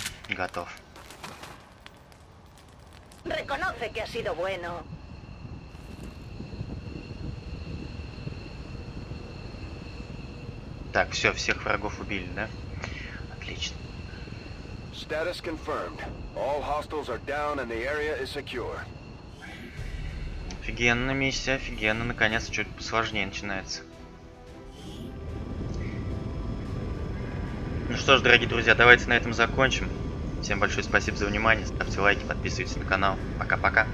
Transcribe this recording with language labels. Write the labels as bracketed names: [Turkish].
[Russian] Готов. [Spanish] Reconoce que ha sido bueno. [Russian] Так, все, всех врагов убили, да? Отлично. [English] Status confirmed. All hostiles are down and the area is secure. [Russian] Офигенно, миссия, офигенно. Наконец-то чуть посложнее начинается. Ну что ж, дорогие друзья, давайте на этом закончим. Всем большое спасибо за внимание. Ставьте лайки, подписывайтесь на канал. Пока-пока.